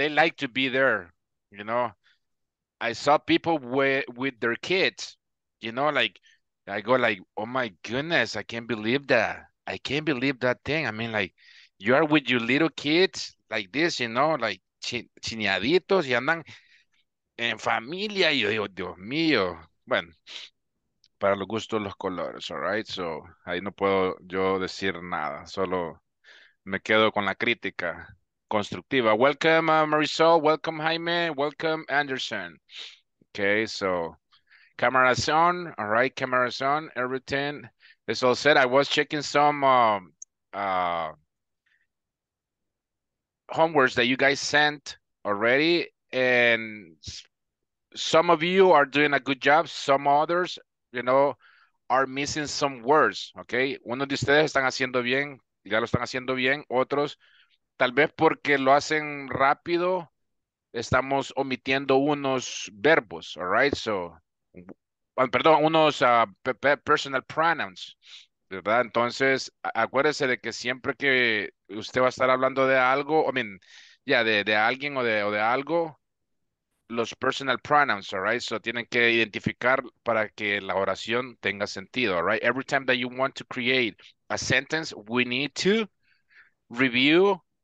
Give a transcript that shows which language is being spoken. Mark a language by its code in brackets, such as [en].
[en] They like to be there, I saw people with their kids, like I go like, oh my goodness, I can't believe that. I can't believe that thing. I mean, like you are with your little kids like this, like [es] chineaditos y andan en familia. Y yo digo, Dios mío. Bueno, para los gustos los colores, all right? So ahí no puedo yo decir nada, solo me quedo con la crítica constructiva. [en] Welcome, Marisol. Welcome, Jaime. Welcome, Anderson. Okay, so cameras on. All right, cameras on. Everything is all set. I was checking some homeworks that you guys sent already, and some of you are doing a good job. Some others, are missing some words. [es] Okay, unos de ustedes están haciendo bien, ya lo están haciendo bien. Otros, tal vez porque lo hacen rápido, estamos omitiendo unos verbos, all right? So, well, perdón, unos personal pronouns, ¿verdad? Entonces, acuérdese de que siempre que usted va a estar hablando de algo, I mean, ya, de alguien o de algo, los personal pronouns, all right? So, tienen que identificar para que la oración tenga sentido, all right? [en] Every time that you want to create a sentence, we need to review.